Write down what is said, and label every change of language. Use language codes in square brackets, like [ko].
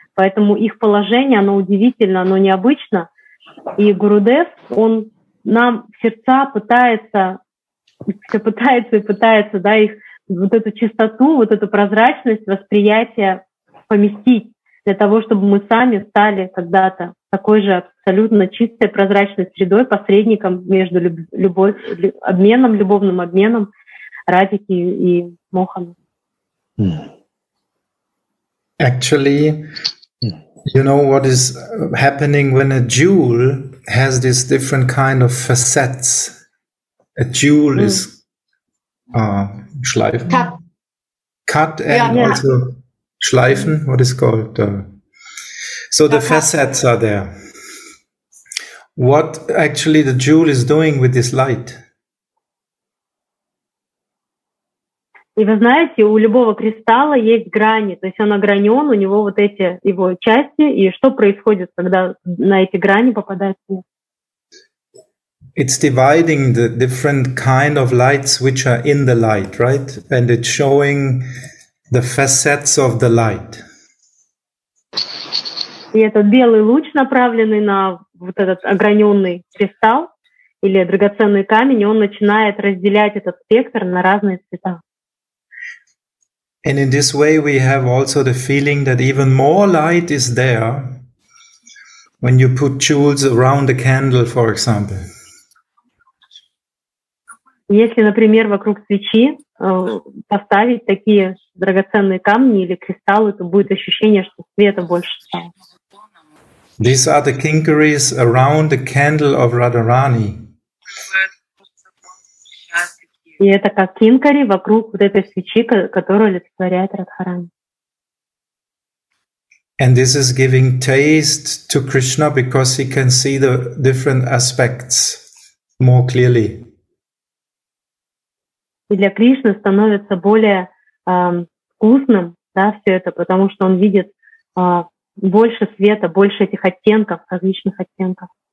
[ru] Поэтому их положение, оно удивительно, оно необычно. И Гурудев, он нам в сердца пытается, да, их вот эту чистоту, вот эту прозрачность восприятия поместить для того, чтобы мы сами стали когда-то такой же абсолютно чистой, прозрачной средой, посредником между любовным обменом Радики и Моханом. [en] Actually, you know what is happening when a jewel has this different kind of facets? A jewel is Schleifen? Cut and also Schleifen? What is called? So the facets are there. What actually the jewel is doing with this light? [ru] И вы знаете, у любого кристалла есть грани, то есть он огранен, у него вот эти его части, и что происходит, когда на эти грани попадает свет? [en] It's dividing the different kind of lights which are in the light, right? And it's showing the facets of the light. [ru] И этот белый луч, направленный на вот этот ограненный кристалл или драгоценный камень, он начинает разделять этот спектр на разные цвета. [en] And in this way we have also the feeling that even more light is there when you put jewels around the candle, for example. [ru] Если, например, вокруг свечи поставить такие драгоценные камни или кристаллы, то будет ощущение, что света больше стало. [en] These are the kinkeries around the candle of Radharani. [ru] И это как кинкари вокруг вот этой свечи, которую олицетворяет Радхарани. [en] And this is giving taste to Krishna because he can see the different aspects more clearly. [ru] И для Кришны становится более вкусным, да, все это, потому что он видит больше света, больше этих оттенков, различных оттенков.